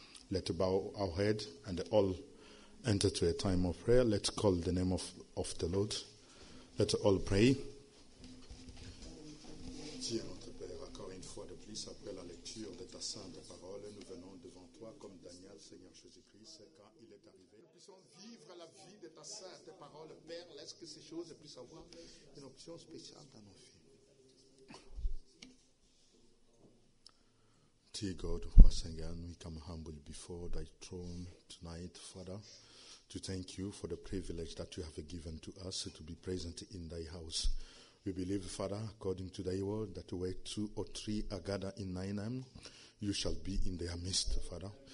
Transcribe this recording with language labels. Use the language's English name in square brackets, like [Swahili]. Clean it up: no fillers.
[English] Let bow our head and all enter to a time of prayer. Let's call the name of the Lord. Let's all pray. [French] Tiens notre Père, encore une fois de plus, après la lecture de ta sainte parole, nous venons devant toi comme Daniel, Seigneur Jésus-Christ, quand il est arrivé. Nous puissions vivre la vie de ta sainte parole, Père, laisse que ces choses puissent avoir une option spéciale dans nos vies. [English] Dear God, once again, we come humbly before thy throne tonight, Father, to thank you for the privilege that you have given to us to be present in thy house. We believe, Father, according to thy word, that where two or three are gathered in thy name, you shall be in their midst, Father.